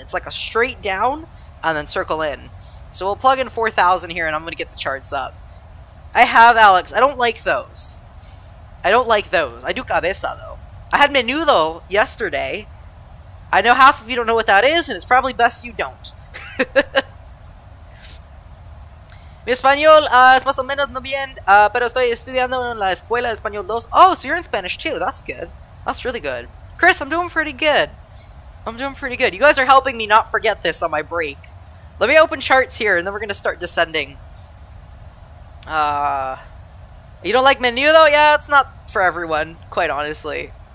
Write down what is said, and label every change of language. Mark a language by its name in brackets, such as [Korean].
[English] It's like a straight down and then circle in. So we'll plug in 4,000 here and I'm going to get the charts up. I have, Alex. I don't like those. I don't like those. I do cabeza, though. I had menudo yesterday. I know half of you don't know what that is, and it's probably best you don't. [Spanish] Mi español es más o menos no bien, pero estoy estudiando en la escuela español 2. [English] Oh, so you're in Spanish too. That's good. That's really good. Chris, I'm doing pretty good. I'm doing pretty good. You guys are helping me not forget this on my break. Let me open charts here, and then we're going to start descending. You don't like menu, though? Yeah, it's not for everyone, quite honestly.